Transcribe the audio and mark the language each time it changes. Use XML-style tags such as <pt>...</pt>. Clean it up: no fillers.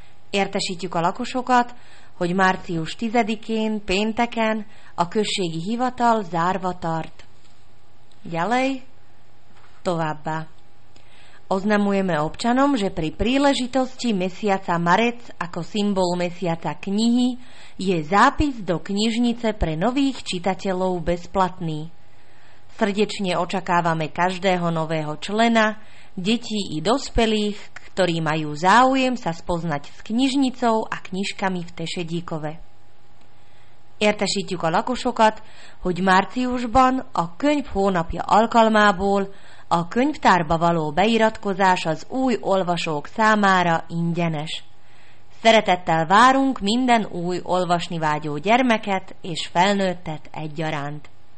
<hu>Értesítjük a lakosokat, hogy március 10-én, pénteken a községi hivatal zárva tart.</hu> <sk>Ďalej,</sk> <hu>továbbá.</hu> <sk>Oznamujeme občanom, že pri príležitosti mesiaca marec ako symbol mesiaca knihy je zápis do knižnice pre nových čitateľov bezplatný. Srdečne očakávame každého nového člena, detí i dospelých, ktorí majú záujem sa spoznať s knižnicou a knižkami v Tešedíkove.</sk> <hu>Értesítjük a lakosokat, hogy márciusban a könyv hónapja alkalmából a könyvtárba való beiratkozás az új olvasók számára ingyenes. Szeretettel várunk minden új olvasni vágyó gyermeket és felnőttet egyaránt.</hu>